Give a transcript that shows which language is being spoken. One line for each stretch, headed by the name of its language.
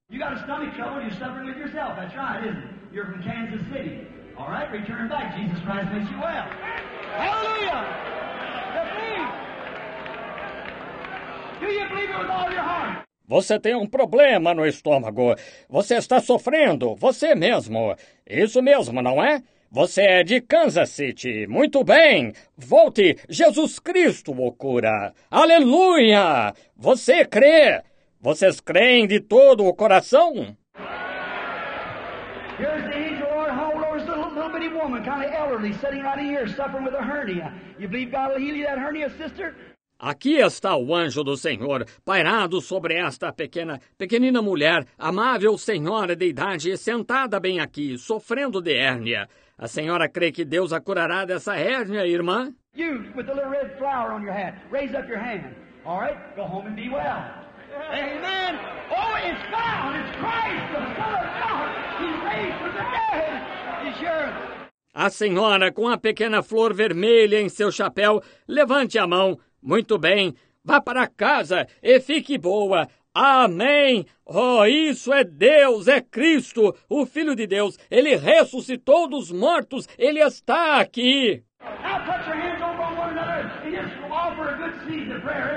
English: You got a stomach trouble and you're suffering with yourself. That's right, isn't it? You're from Kansas City. All right, return back. Jesus Christ makes you well. Hallelujah! The faith! Do you believe it with all your heart?
Portuguese: Você tem um problema no estômago. Você está sofrendo, você mesmo. Isso mesmo, não é? Você é de Kansas City. Muito bem. Volte. Jesus Cristo o cura. Aleluia! Você crê? Vocês creem de todo o coração?
English: Here's the angel, Lord. How old is the little bitty woman, kind of elderly, sitting right here, suffering with a hernia. You believe God will heal you that hernia, sister?
Portuguese: Aqui está o anjo do Senhor, pairado sobre esta pequenina mulher, amável senhora de idade, sentada bem aqui, sofrendo de hérnia. A senhora crê que Deus a curará dessa hérnia, irmã?
English: You, with the little red flower on your hat, raise up your hand. All right, go home and be well. Amen. Oh, it's found. It's Christ, the Son of God. He's raised from the dead. He's here.
Portuguese: A senhora com a pequena flor vermelha em seu chapéu, levante a mão. Muito bem. Vá para casa e fique boa. Amém! Oh, isso é Deus, é Cristo, o Filho de Deus. Ele ressuscitou dos mortos, ele está aqui.
English: Now put your hands over one another and just offer a good season of prayer.